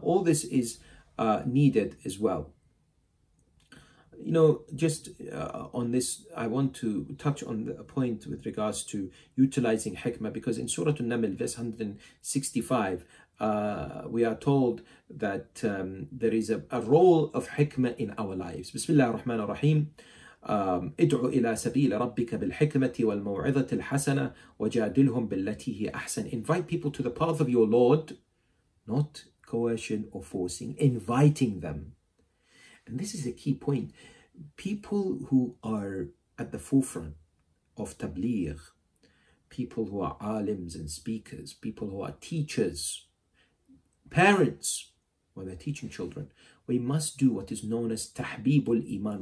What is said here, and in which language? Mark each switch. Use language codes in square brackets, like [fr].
[en] All this is needed as well. You know, just on this, I want to touch on a point with regards to utilizing hikmah, because in Surah An-Naml, verse 165, we are told that there is a role of hikmah in our lives. [ar] Bismillah ar-Rahman ar-Rahim. ادعو إلى سبيل ربك بالحكمة والموعظة الحسنة وجادلهم بالتي هي أحسن. [en] Invite people to the path of your Lord, not coercion or forcing, inviting them. And this is a key point. People who are at the forefront of tabligh, people who are alims and speakers, people who are teachers, parents, when they're teaching children, we must do what is known as tahbibul iman.